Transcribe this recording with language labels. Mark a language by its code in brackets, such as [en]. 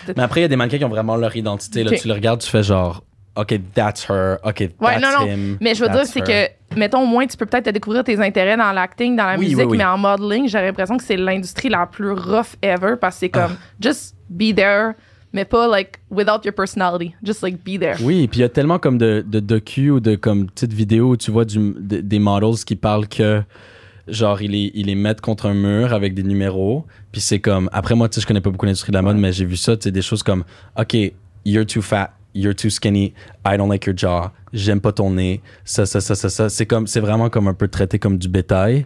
[fr] Mais après, il y a des mannequins qui ont vraiment leur identité. Là. Tu le regardes, tu fais genre, [en] OK, that's her. OK, him. [fr] Mais je veux dire, c'est que, mettons, au moins, tu peux peut-être te découvrir tes intérêts dans l'acting, dans la musique, mais en modeling, j'ai l'impression que c'est l'industrie la plus rough ever parce que c'est comme, [en] just be there, [fr] mais pas [en] like without your personality, just like be there. [fr] Oui, puis il y a tellement comme de docu ou de comme petites vidéos où tu vois des models qui parlent que genre ils les mettent contre un mur avec des numéros, puis c'est comme après moi tu sais je connais pas beaucoup l'industrie de la mode, ouais. Mais j'ai vu ça, tu sais, des choses comme [en] OK, you're too fat, you're too skinny, I don't like your jaw, [fr] j'aime pas ton nez, ça, c'est vraiment comme un peu traité comme du bétail.